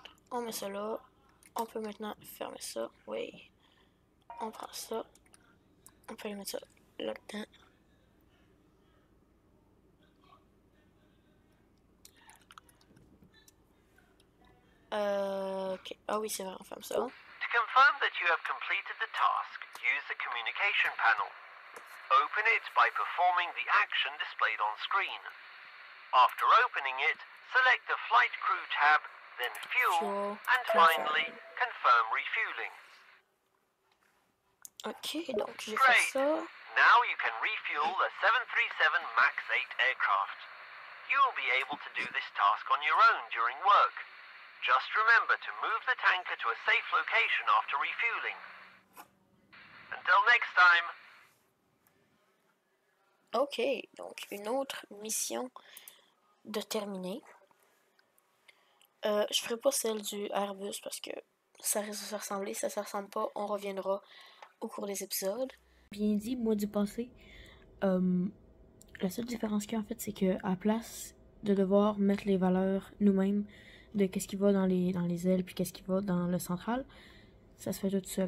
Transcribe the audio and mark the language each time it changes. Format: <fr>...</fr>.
<fr>On met ça là. On peut maintenant fermer ça. Oui. On prend ça. On peut aller mettre ça là-dedans. Ok. Ah oh, oui, c'est vrai, on ferme ça.</fr> <en>To confirm that you have completed the task, use the communication panel. Open it by performing the action displayed on screen. After opening it, select the flight crew tab. Then fuel, and finally, confirm refueling.</en> <fr>Okay, donc j'ai fait ça.</fr> <en>Now you can refuel the 737 MAX 8 aircraft. You will be able to do this task on your own during work. Just remember to move the tanker to a safe location after refueling. Until next time.</en> <fr>Okay, donc une autre mission de terminer. Je ferai pas celle du Airbus parce que ça risque de se ressembler. Ça se ressemble pas, on reviendra au cours des épisodes. Bien dit, moi du passé, la seule différence qu'il y a en fait, c'est qu'à place de devoir mettre les valeurs nous-mêmes de qu'est-ce qui va dans les ailes puis qu'est-ce qui va dans le central, ça se fait tout seul.</fr>